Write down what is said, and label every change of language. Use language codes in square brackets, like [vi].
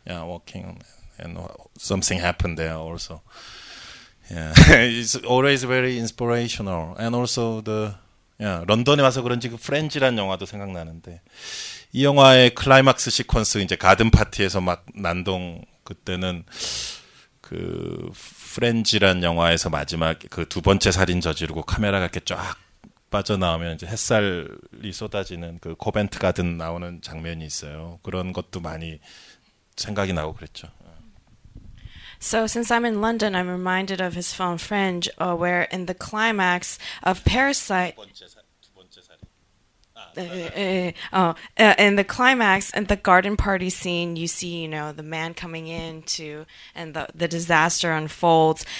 [en] Yeah, walking, and something happened there also. Yeah, it's always very inspirational. And also, [ko] London에 와서 그런지 그 프렌즈란 영화도 생각나는데. 이 영화의 클라이막스 시퀀스 이제 가든 파티에서 막 난동 그때는 그 프렌즈란 영화에서 마지막 그 두 번째 살인 저지르고 카메라가 이렇게 쫙 빠져나오면 이제 햇살이 쏟아지는 그 코벤트 가든 나오는 장면이 있어요. 그런 것도 많이 생각이 나고 그랬죠. [en] So since I'm in London, I'm reminded of his film Fringe, where in the climax of Parasite. In the climax, in the garden party scene, you see, you know, the man coming in to, and the disaster unfolds.